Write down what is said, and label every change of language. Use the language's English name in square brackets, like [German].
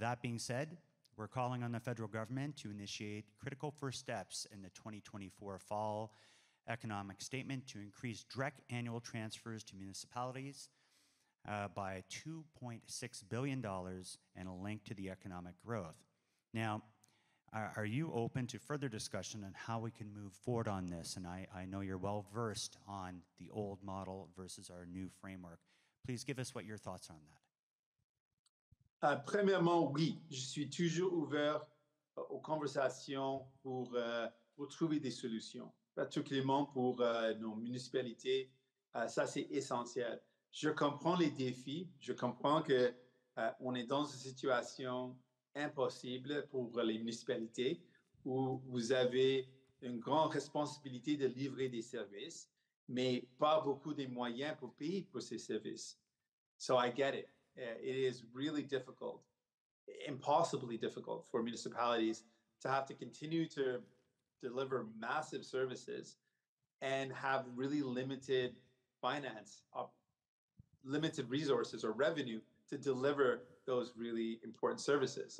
[English] That being said, we're calling on the federal government to initiate critical first steps in the 2024 fall economic statement to increase direct annual transfers to municipalities by $2.6 billion and a link to the economic growth. Now, are you open to further discussion on how we can move forward on this? And I know you're well versed on the old model versus our new framework. Please give us what your thoughts are on that. [French] Premièrement, oui, je suis toujours ouvert aux conversations pour trouver des solutions, particulièrement pour nos municipalités. Ça, c'est essentiel. Je comprends les défis. Je comprends qu'on est dans une situation impossible pour les municipalités où vous avez une grande responsabilité de livrer des services, mais pas beaucoup de moyens pour payer pour ces services. [English] So I get it. It is really difficult, impossibly difficult for municipalities to have to continue to deliver massive services and have really limited finance, limited resources or revenue to deliver those really important services.